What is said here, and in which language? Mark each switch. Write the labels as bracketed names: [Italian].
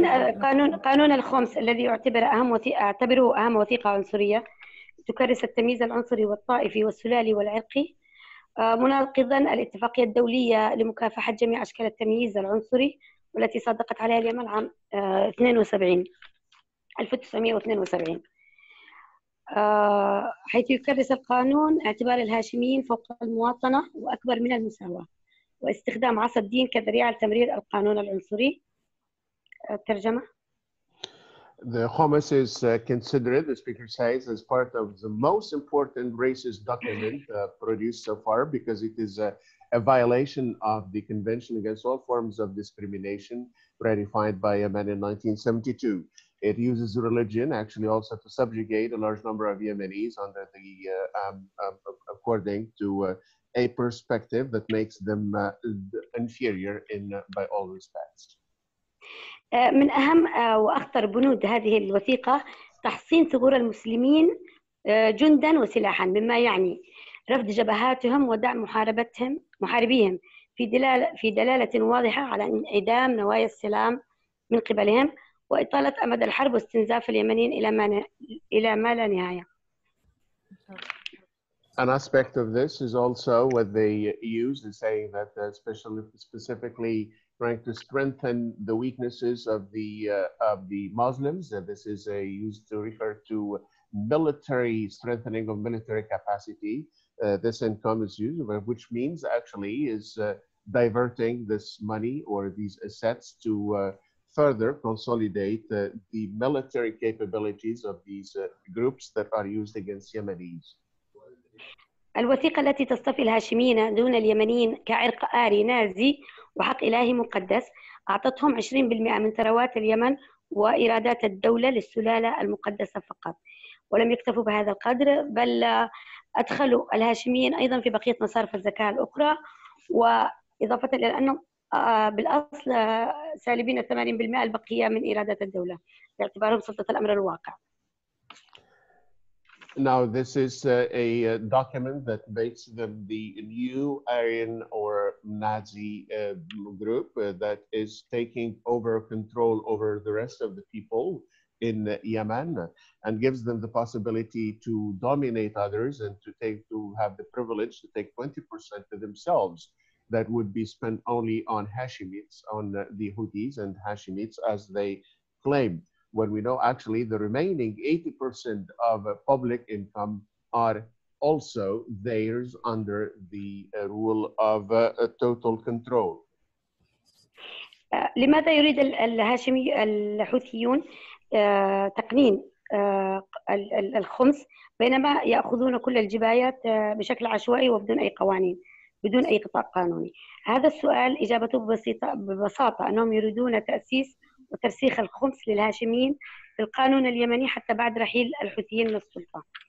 [Arabic] القانون قانون الخمس الذي يعتبر أهم اعتبره أهم وثيقة عنصرية تكرس التمييز العنصري والطائفي والسلالي والعرقي مناقضا الاتفاقية الدولية لمكافحة جميع أشكال التمييز العنصري والتي صادقت عليها اليمن عام 1972 حيث يكرس القانون اعتبار الهاشميين فوق المواطنة وأكبر من المساواة واستخدام عصا الدين كذريعة لتمرير القانون العنصري. [English] The Khomis is considered, the speaker says, as part of the most important racist document produced so far because it is a violation of the Convention Against All Forms of Discrimination ratified by Yemen in 1972. It uses religion actually also to subjugate a large number of Yemenis under the, according to a perspective that makes them inferior in by all respects. [Arabic] من أهم وأخطر بنود هذه الوثيقة تحصين ثغور المسلمين جندا وسلاحا مما يعني رفض جبهاتهم ودعم محاربتهم محاربيهم في دلالة واضحة على انعدام نوايا السلام من قبلهم وإطالة أمد الحرب واستنزاف اليمنيين إلى ما لا نهاية. [English] An aspect of this is also what they use is saying that specifically trying to strengthen the weaknesses of the Muslims. This is used to refer to military strengthening of military capacity. This income is used, which means actually is diverting this money or these assets to further consolidate the military capabilities of these groups that are used against Yemenis. [Arabic] الوثيقة التي تصطفي الهاشميين دون اليمنيين كعرق آري نازي وحق إلهي مقدس أعطتهم 20% من ثروات اليمن وإيرادات الدولة للسلالة المقدسة فقط ولم يكتفوا بهذا القدر بل أدخلوا الهاشميين أيضا في بقية مصارف الزكاة الأخرى وإضافة إلى أنهم بالأصل سالبين 80% البقية من إيرادات الدولة باعتبارهم سلطة الأمر الواقع. [English] Now, this is a document that makes them the new Aryan or Nazi group that is taking over control over the rest of the people in Yemen and gives them the possibility to dominate others and to take to have the privilege to take 20% to themselves that would be spent only on Hashemites, on the Houthis and Hashemites as they claim. When we know actually the remaining 80% of public income are also theirs under the rule of total control. [Arabic] لماذا يريد الهاشمي الحوثيون تقنين الخمس بينما يأخذون كل الجبايات بشكل عشوائي وبدون أي قوانين بدون أي قطاع قانوني؟ هذا السؤال إجابته ببسيطة ببساطة أنهم يريدون تأسيس وترسيخ الخمس للهاشميين في القانون اليمني حتى بعد رحيل الحوثيين من السلطة.